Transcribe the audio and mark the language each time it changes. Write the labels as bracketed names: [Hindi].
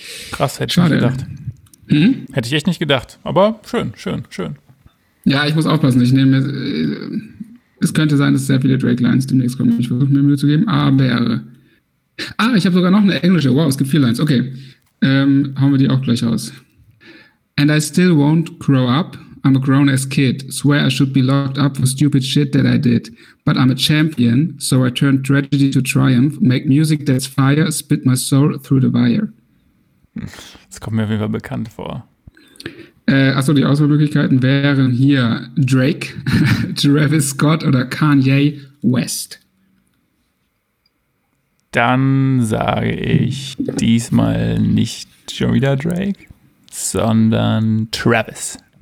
[German] Krass, hätte ich nicht gedacht. Hätte ich echt nicht gedacht, aber schön. Ja, ich muss aufpassen, ich nehme... Es könnte sein, dass sehr viele Drake-Lines demnächst kommen. Ich versuche mir Mühe zu geben, aber... Ah, ich habe sogar noch eine englische. Wow, es gibt vier Lines. Okay, hauen wir die auch gleich aus. [English] And I still won't grow up. I'm a grown-ass kid. Swear I should be locked up for stupid shit that I did. But I'm a champion, so I turn tragedy to triumph. Make music that's fire, spit my soul through the wire. [German] Das kommt mir auf jeden Fall bekannt vor. Achso, die Auswahlmöglichkeiten wären hier Drake, Travis Scott oder Kanye West. Dann sage ich diesmal nicht schon wieder Drake, sondern Travis.